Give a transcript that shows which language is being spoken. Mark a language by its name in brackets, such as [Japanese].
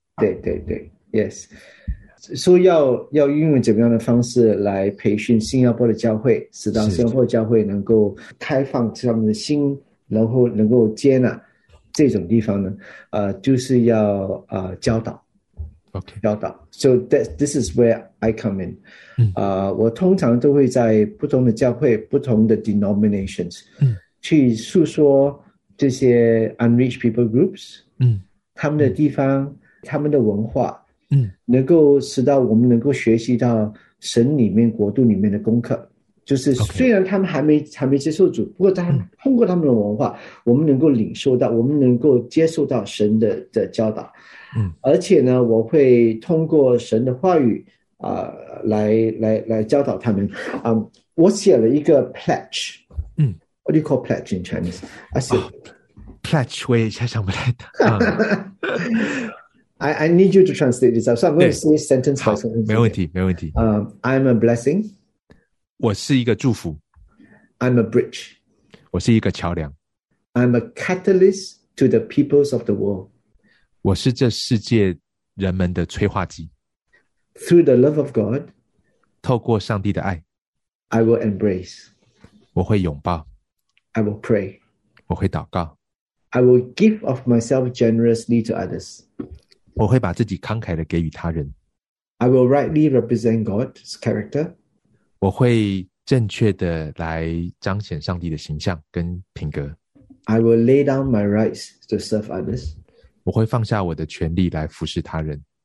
[Chinese] 对对 对 对 yes。说要运用怎么样的方式来培训新加坡的教会，使到新加坡教会能够开放他们的心，然后能够接纳这种地方呢，就是要教导。 [English] Okay. [Chinese] 教导。 [English] So this is where I come in. [Chinese] 嗯。我通常都会在不同的教会，不同的 denominations, 嗯，去诉说这些 [English] unreached people groups, [Chinese] 嗯，他们的地方，他们的文化，嗯，能够使到我们能够学习到神里面国度里面的功课。就是虽然他们还没接受主，不过他通过他们的文化，我们能够领受到，我们能够接受到神的教导。嗯，而且呢，我会通过神的话语来教导他们。我写了一个 pledge。嗯 [English] ，What do you call pledge in Chinese？ [Chinese] 啊，是 pledge， 我也猜想不来的。 [English] I need you to translate this out. So I'm going to say sentence by sentence. [Chinese] 没问题，没问题。 [English] I'm a blessing。 [Chinese] 我是一个祝福。 [English] I'm a bridge。 [Chinese] 我是一个桥梁。 [English] I'm a catalyst to the peoples of the world。 [Chinese] 我是这世界人们的催化剂。 [English] Through the love of God， [Chinese] 透过上帝的爱。 [English] I will embrace， [Chinese] 我会拥抱。 [English] I will pray， [Chinese] 我会祷告。 [English] I will give of myself generously to others， [Chinese] 我会把自己慷慨地给予他人。 [English] I will rightly represent God's character， [Chinese] 我会正确的来彰显上帝的形象跟品格。 [English] I will lay down my rights to serve others。 [Chinese] 我会放下我的权利来服侍他人。